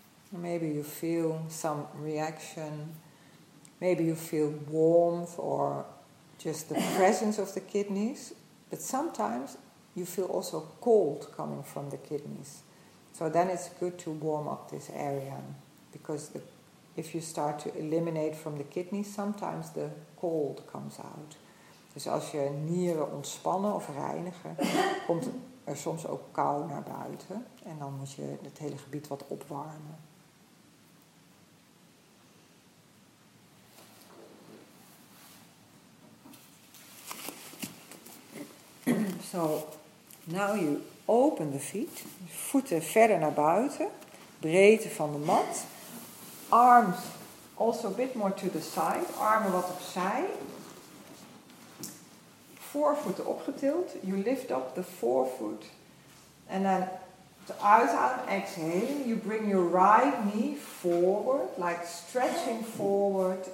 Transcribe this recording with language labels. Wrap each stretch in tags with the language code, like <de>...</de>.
<en>Maybe you feel some reaction. Maybe you feel warmth or just the presence of the kidneys. But sometimes you feel also cold coming from the kidneys. So then it's good to warm up this area, because if you start to eliminate from the kidneys, sometimes the cold comes out.</en> <nl>Dus als je nieren ontspannen of reinigen, komt er soms ook kou naar buiten. En dan moet je het hele gebied wat opwarmen.</nl> <en>So, now you open the feet.</en> <nl>Voeten verder naar buiten. Breedte van de mat.</nl> <en>Arms also a bit more to the side.</en> <nl>Armen wat opzij. Voorvoeten opgetild.</nl> <en>You lift up the forefoot. And then to</en> <nl>uitadem,</nl> <en>exhale. You bring your right knee forward, like stretching forward.</en>